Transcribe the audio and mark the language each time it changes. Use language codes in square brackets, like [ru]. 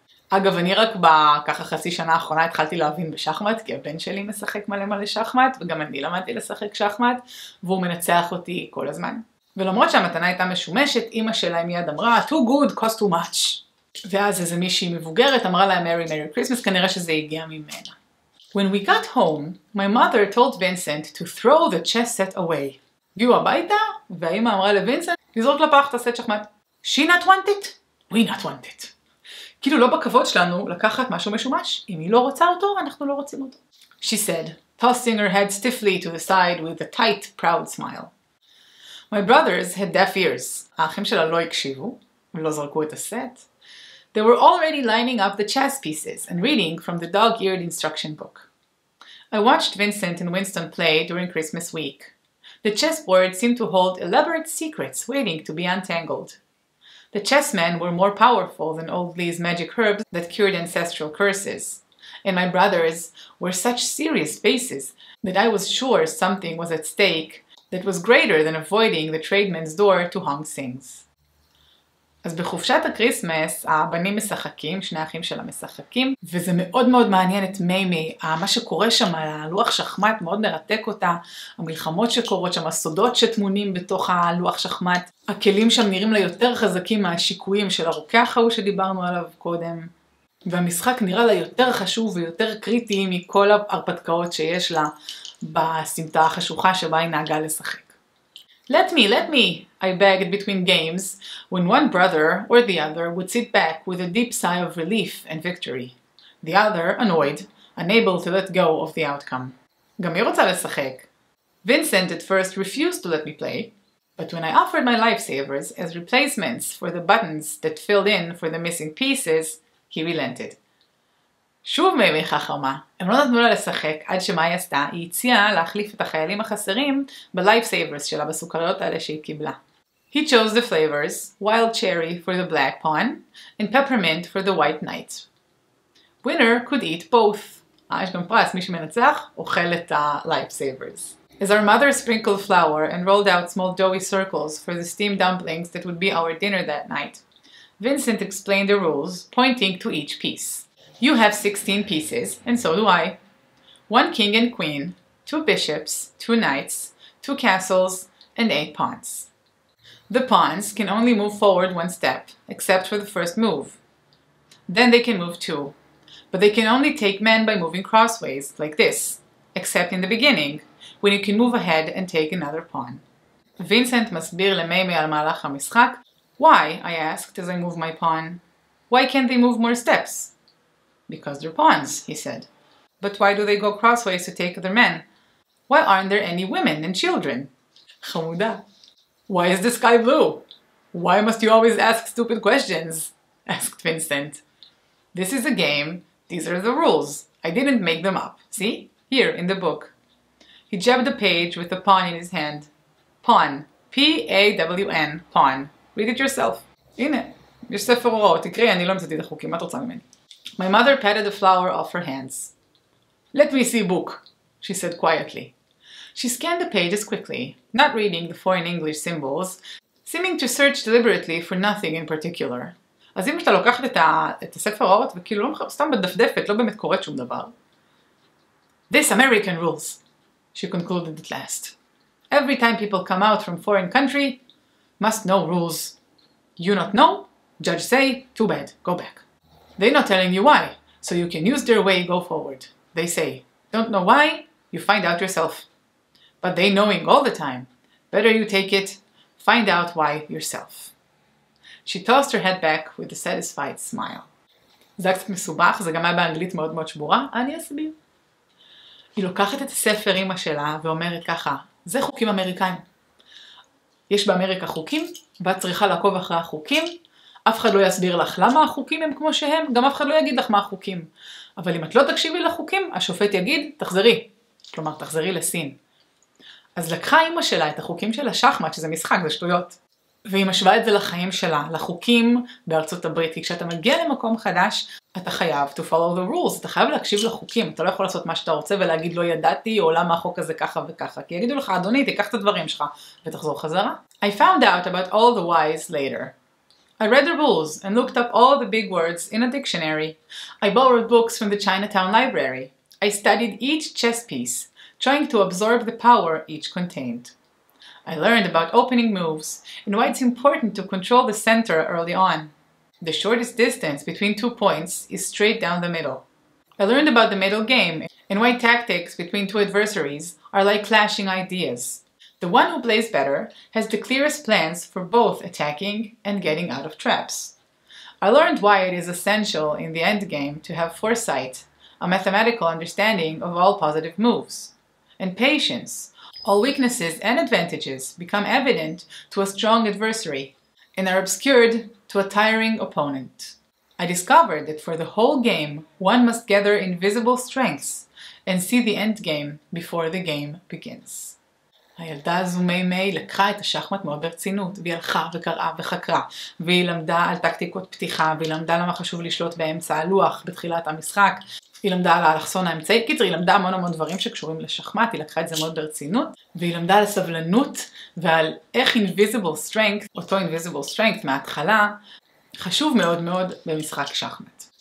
[he] אגב, אני רק בככה חצי שנה האחרונה התחלתי להבין בשחמט, כי הבן שלי משחק מלא מלא שחמט, וגם אני למדתי לשחק שחמט, והוא מנצח אותי כל הזמן. ולמרות שהמתנה הייתה משומשת, אמא שלה מיד אמרה, [en] "Too good, cost too much." [he] ואז איזה מישהי מבוגרת אמרה לה, [en] "Merry, Merry Christmas," [he] כנראה שזה הגיע ממנה. [en] When we got home, my mother told Vincent to throw the chess set away. [he] הגיעו הביתה, והאמא אמרה לוינסנט, לזרוק לפח את הסט שחמט. [en] "She not want it? We not want it." [he] כאילו לא בכבוד שלנו לקחת משהו משומש. אם היא לא רוצה אותו, אנחנו לא רוצים אותו. [en] She said, tossing her head stiffly to the side with a tight, proud smile. My brothers had deaf ears. [he] האחים שלה לא הקשיבו, ולא זרקו את הסט. [en] They were already lining up the chess pieces and reading from the dog-eared instruction book. I watched Vincent and Winston play during Christmas week. The chessboard seemed to hold elaborate secrets waiting to be untangled. The chessmen were more powerful than old Lee's magic herbs that cured ancestral curses. And my brothers were such serious faces that I was sure something was at stake that was greater than avoiding the tradesman's door to Hong Sing's. [he] אז בחופשת הקריסמס, הבנים משחקים, שני האחים שלה משחקים, וזה מאוד מאוד מעניין את מיימי, מה שקורה שם, הלוח שחמט מאוד מרתק אותה, המלחמות שקורות שם, הסודות שתמונים בתוך הלוח שחמט, הכלים שם נראים לה יותר חזקים מהשיקויים של הרוקח ההוא שדיברנו עליו קודם, והמשחק נראה לה יותר חשוב ויותר קריטי מכל ההרפתקאות שיש לה, בסמטה החשוכה שבה היא נהגה לשחק. [en] Let me, I begged between games, when one brother or the other would sit back with a deep sigh of relief and victory. The other, annoyed, unable to let go of the outcome. [he] גם היא רוצה לשחק. [en] Vincent at first refused to let me play, but when I offered my lifesavers as replacements for the buttons that filled in for the missing pieces, he relented. [he] שוב מימי חכמה, הם לא נתנו לה לשחק עד שמה היא עשתה, היא הציעה להחליף את החיילים החסרים בלייפסייברס שלה בסוכריות האלה שהיא קיבלה. [en] He chose the flavors, wild cherry for the black pawn, and peppermint for the white knight. Winner could eat both. [he] יש גם פרס, מי שמנצח אוכל את הלייפסייברס. [en] As our mother sprinkled flour and rolled out small doughy circles for the steamed dumplings that would be our dinner that night, Vincent explained the rules, pointing to each piece. You have 16 pieces, and so do I. One king and queen, two bishops, two knights, two castles, and eight pawns. The pawns can only move forward one step, except for the first move. Then they can move two. But they can only take men by moving crossways, like this, except in the beginning, when you can move ahead and take another pawn. [he] Vincent מסביר למיימי על מהלך המשחק. [en] Why, I asked as I move my pawn. Why can't they move more steps? Because they're pawns, he said. But why do they go crossways to take other men? Why aren't there any women and children? [he] חמודה. [en] Why is the sky blue? Why must you always ask stupid questions? Asked Vincent. This is a game. These are the rules. I didn't make them up. See? Here, in the book. He jabbed a page with a pawn in his hand. Pawn. P-A-W-N. Pawn. Read it yourself. [he] הנה. יש ספר הוראות. תקרי, אני לא מצאתי את החוקים. מה את רוצה ממני? [en] My mother patted the flower off her hands. Let me see a book, she said quietly. She scanned the pages quickly, not reading the foreign English symbols, seeming to search deliberately for nothing in particular. [he] אז אם אתה לוקחת את הספר האות וכאילו סתם בדפדפת, לא באמת קוראת שום דבר. [en] This American rules, she concluded at last. Every time people come out from foreign country, must know rules. You not know? judge say, too bad, go back. They're not telling you why, so you can use their way, go forward. They say, don't know why, you find out yourself. But they knowing all the time, better you take it, find out why yourself. She tossed her head back with a satisfied smile. [he] זה היה קצת מסובך, זה גם היה באנגלית מאוד מאוד שבורה, אני אסביר. היא לוקחת את הספר אמא שלה ואומרת ככה, זה חוקים אמריקאים. יש באמריקה חוקים, ואת צריכה לעקוב אחרי החוקים, אף אחד לא יסביר לך למה החוקים הם כמו שהם, גם אף אחד לא יגיד לך מה החוקים. אבל אם את לא תקשיבי לחוקים, השופט יגיד, תחזרי. כלומר, תחזרי לסין. אז לקחה אמא שלה את החוקים של השחמט, שזה משחק, זה שטויות. והיא משווה את זה לחיים שלה, לחוקים בארצות הברית. כי כשאתה מגיע למקום חדש, אתה חייב [en] to follow the rules, [he] אתה חייב להקשיב לחוקים. אתה לא יכול לעשות מה שאתה רוצה ולהגיד לא ידעתי, או למה החוק הזה ככה וככה. כי יגידו לך, אדוני, תיקח את הדברים שלך, ותחזור חזרה. [en] I found out about all the whys later. I read the rules and looked up all the big words in a dictionary. I borrowed books from the Chinatown library. I studied each chess piece, trying to absorb the power each contained. I learned about opening moves and why it's important to control the center early on. The shortest distance between two points is straight down the middle. I learned about the middle game and why tactics between two adversaries are like clashing ideas. The one who plays better has the clearest plans for both attacking and getting out of traps. I learned why it is essential in the end game to have foresight, a mathematical understanding of all positive moves, and patience. All weaknesses and advantages become evident to a strong adversary and are obscured to a tiring opponent. I discovered that for the whole game, one must gather invisible strengths and see the end game before the game begins. [he] הילדה הזו מימי לקחה את השחמט מאוד ברצינות, והיא הלכה וקראה וחקרה, והיא למדה על טקטיקות פתיחה, והיא למדה למה חשוב לשלוט באמצע הלוח בתחילת המשחק, היא למדה על האלכסון האמצעי, קיצר, היא למדה המון המון דברים שקשורים לשחמט, היא לקחה את זה מאוד ברצינות, והיא למדה על הסבלנות ועל איך [en] invisible strength, [he] אותו invisible strength מההתחלה, חשוב מאוד מאוד במשחק שחמט.